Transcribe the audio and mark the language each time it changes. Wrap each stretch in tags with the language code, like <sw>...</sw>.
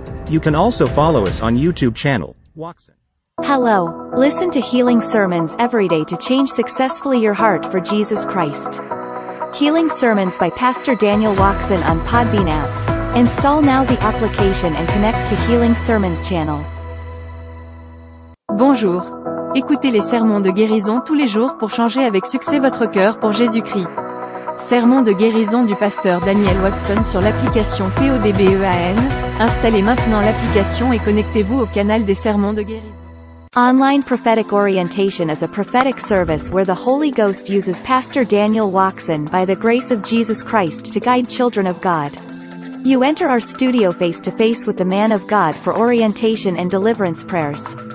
<en>You can also follow us on YouTube channel, Watson. Hello, listen to Healing Sermons every day to change successfully your heart for Jesus Christ. Healing Sermons by Pastor Daniel Watson on Podbean app. Install now the application and connect to Healing Sermons channel.</en> <fr>Bonjour, écoutez les sermons de guérison tous les jours pour changer avec succès votre cœur pour Jésus-Christ. Sermon de guérison du pasteur Daniel Watson sur l'application PODBEAN. Installez maintenant l'application et connectez-vous au canal des sermons de guérison.</fr> <en>Online prophetic orientation is a prophetic service where the Holy Ghost uses Pastor Daniel Watson by the grace of Jesus Christ to guide children of God. You enter our studio face to face with the man of God for orientation and deliverance prayers.</en>